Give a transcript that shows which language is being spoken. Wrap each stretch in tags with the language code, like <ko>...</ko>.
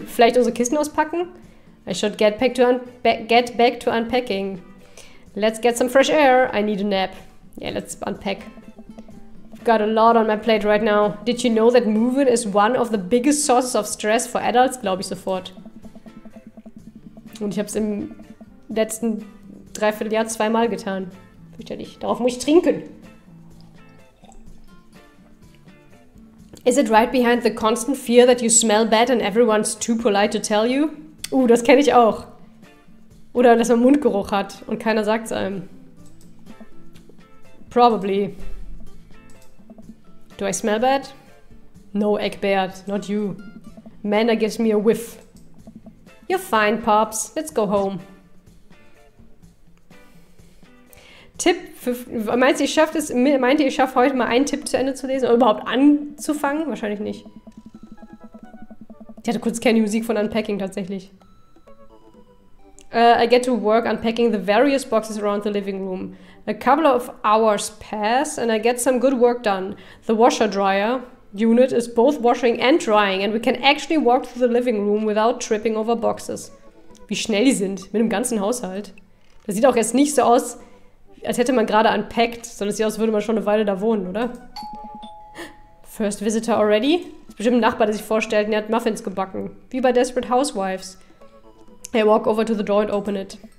<de>Vielleicht unsere Kisten auspacken?</de> <en>I should get back to unpacking. Let's get some fresh air. I need a nap. Yeah, let's unpack. I've got a lot on my plate right now. Did you know that moving is one of the biggest sources of stress for adults?</en> <de>Glaube ich sofort. Und ich habe es im letzten Dreivierteljahr zweimal getan. Fürchterlich. Darauf muss ich trinken.</de> <en>Is it right behind the constant fear that you smell bad and everyone's too polite to tell you?</en> <de>Das kenne ich auch. Oder dass man Mundgeruch hat und keiner sagt es einem.</de> <en>Probably. Do I smell bad? No, Eckbert, not you. Manna gives me a whiff. You're fine, Pops. Let's go home.</en> <de>Tipp für. Meint ihr, ich schaffe heute mal einen Tipp zu Ende zu lesen? Oder überhaupt anzufangen? Wahrscheinlich nicht. Ich hatte kurz keine Musik von Unpacking tatsächlich.</de> <en>I get to work unpacking the various boxes around the living room. A couple of hours pass and I get some good work done. The washer dryer unit is both washing and drying and we can actually walk through the living room without tripping over boxes.</en> <de>Wie schnell die sind mit dem ganzen Haushalt. Das sieht auch jetzt nicht so aus, als hätte man gerade unpackt, sondern es sieht aus, würde man schon eine Weile da wohnen, oder?</de> <en>First visitor already?</en> <de>Das ist bestimmt ein Nachbar, der sich vorstellt, der hat Muffins gebacken. Wie bei Desperate Housewives.</de> <en>I walk over to the door and open it.</en>